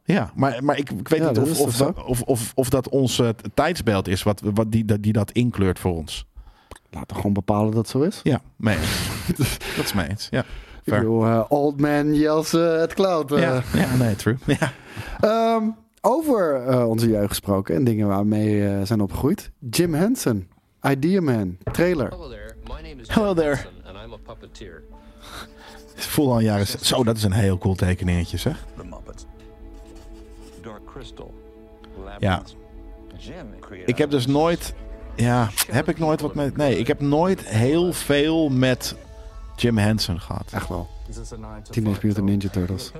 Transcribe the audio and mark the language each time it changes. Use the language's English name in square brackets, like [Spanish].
[Dutch] Ja, maar ik weet niet of dat ons tijdsbeeld is wat die dat inkleurt voor ons. Laten we gewoon bepalen dat zo is. Ja, mee. Dat is mee eens, ja. Ik bedoel, [English] old man yells at cloud. [Dutch] Ja, nee, true. Ja. Over onze jeugd gesproken en dingen waarmee we zijn opgegroeid. Jim Henson, Idea Man, trailer. [English] Hello there, my name is Jim Henson and I'm a puppeteer. [Dutch] Voel al jaren. Zo, dat is een heel cool tekeningetje, zeg. The Muppets. Dark Crystal. Ja. Ik heb dus nooit. Ja, heb ik nooit wat met. Nee, ik heb nooit heel veel met Jim Henson gehad. Echt wel. Teenage Mutant Ninja Turtles.